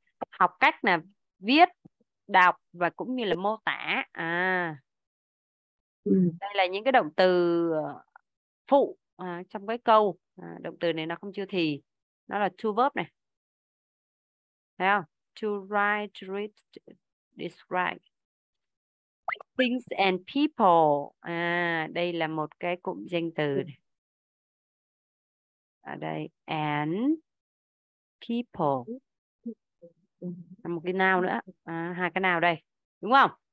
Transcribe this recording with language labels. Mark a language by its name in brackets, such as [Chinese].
[Vietnamese] Học cách là viết, đọc và cũng như là mô tả. Đây là những cái động từ phụ trong cái câu. Động từ này nó không chưa thì, nó là to verb này. Thấy không? [English] To write, to read, describe things and people. [Vietnamese] Đây là một cái cụm danh từ này. Ở đây, and people là một cái nào nữa. Hai cái nào đây, đúng không?